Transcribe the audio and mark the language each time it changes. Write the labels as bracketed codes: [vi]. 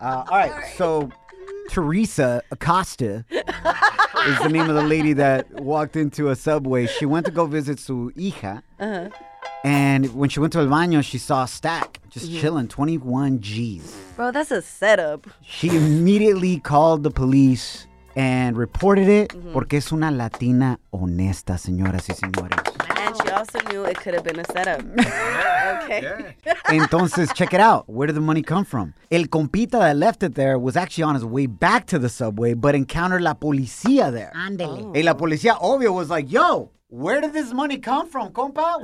[en] All right, so Teresa Acosta is the name of the lady that walked into a Subway. She went to go visit [es] su hija. [en] And when she went to [es] el baño, [en] she saw a stack just chilling, 21 G's. Bro, that's a setup. She immediately called the police and reported it. Mm-hmm. [es] Porque es una Latina honesta, señoras y señores. [en] And she also knew it could have been a setup. Okay. Yeah. Entonces, check it out. Where did the money come from? [es] El compita [en] that left it there was actually on his way back to the Subway, but encountered [es] la policía [en] there. [es] Ándale. [en] Oh. [es] Y la policía, obvio, [en] was like, yo, where did this money come from, compa?